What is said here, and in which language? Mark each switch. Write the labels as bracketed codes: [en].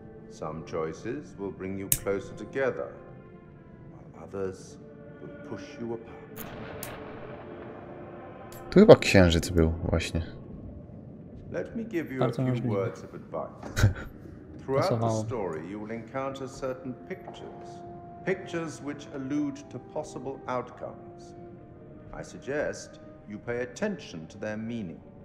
[en] Some choices will bring you closer together, while others will push you apart. [pl] Tu chyba księżyc był właśnie. [en] Let me give you a few words of advice. Throughout the story you will encounter certain pictures. Pictures which allude to possible outcomes. I suggest you pay attention to their meaning.